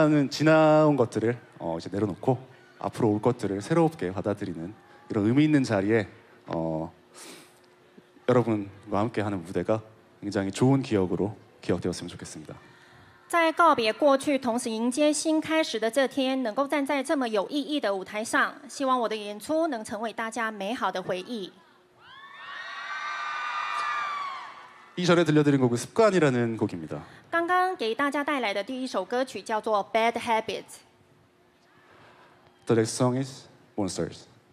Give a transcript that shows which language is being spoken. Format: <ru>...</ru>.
<ko>지나온 것들을 이제 내려놓고 앞으로 올 것들을 새롭게 받아들이는 이런 의미 있는 자리에 여러분과 함께하는 무대가 굉장히 좋은 기억으로 기억되었으면 좋겠습니다.</ko> <zh>在告别过去，同时迎接新开始的这天，能够站在这么有意义的舞台上，希望我的演出能成为大家美好的回忆。</zh> <ko>이전에 들려드린 곡은 습관이라는 곡입니다.</ko> <zh>刚刚给大家带来的第一首歌曲叫做 Bad Habit.</zh> <en>The next song is Monsters.</en>